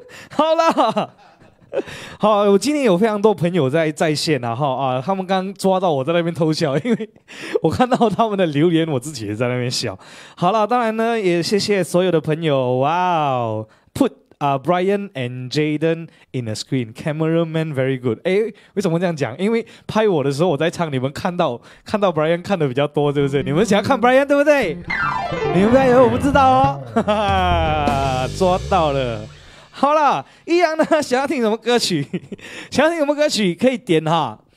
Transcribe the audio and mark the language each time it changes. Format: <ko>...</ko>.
<zh>好了，好，我今天有非常多朋友在线啊，他们刚抓到我在那边偷笑，因为我看到他们的留言，我自己也在那边笑。好了，当然呢，也谢谢所有的朋友，哇、wow, 哦 ，</zh> <en>put Brian and Jaden in the screen， cameraman very good。</en> <zh>哎，为什么这样讲？因为拍我的时候我在唱，你们看到 Brian 看的比较多，对不对？你们想要看 Brian 对不对？你们不要以为我不知道哦，哈哈，抓到了。好啦，一样呢，想要听什么歌曲？想要听什么歌曲可以点哈。</zh>